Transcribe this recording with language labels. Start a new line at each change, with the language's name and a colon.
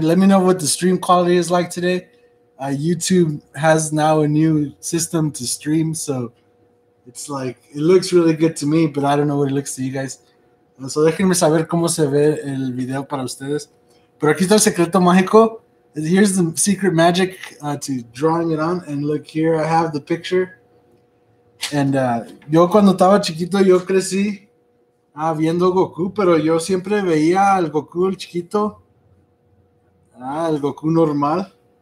English: Let me know what the stream quality is like today. YouTube has now a new system to stream, so it's like, it looks really good to me, but I don't know what it looks to you guys.
Spanish: So déjenme saber cómo se ve el video para ustedes. Pero aquí está el secreto mágico.
English: Here's the secret magic to drawing it on. And look, here I have the picture. And
Spanish: yo cuando estaba chiquito, yo crecí viendo Goku, pero yo siempre veía al Goku el chiquito, el Goku normal.